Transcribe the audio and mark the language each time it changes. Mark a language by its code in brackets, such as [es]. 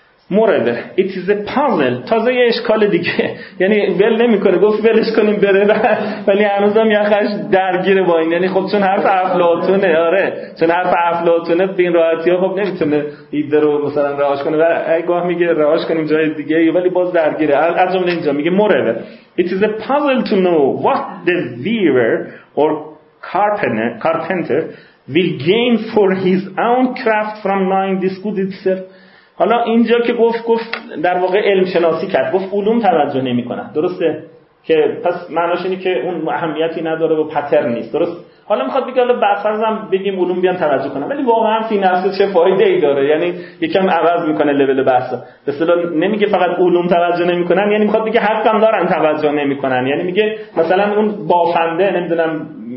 [fa] مورد [en] it is a puzzle، [fa] تازه یه اشکال دیگه، یعنی ول نمیکنه، گفت ولش کنیم بره، ولی هنوزم یخش درگیره با این، یعنی خب چون حرف افلاطونه، آره چون حرف افلاطونه به این راحتی ها خب نمیتونه ایده رو مثلا رهاش کنه، ولی گاه میگه رهاش کنیم جای دیگه، ولی باز درگیره. از جمله اینجا میگه مورد [en] it is a puzzle to know what the weaver or carpenter will gain for his own craft from knowing this good itself. [fa] حالا اینجا که گفت در واقع علم شناسی کرد، گفت علوم توجه نمی کنن، درسته؟ که پس معناش اینه که اون اهمیتی نداره و پترن نیست، درست؟ حالا میخواد بگه حالا بعضی‌هام بگیم علوم بیان توجه کنن، ولی واقعا فی نفسه چه فایده ای داره؟ یعنی یکم عوض میکنه لول بحثا، به اصطلاح نمیگه فقط علوم توجه نمی کنن، یعنی میخواد بگه حق هم دارن توجه نمی کنن، یعنی میگه مثلا اون بافنده، نمیدونم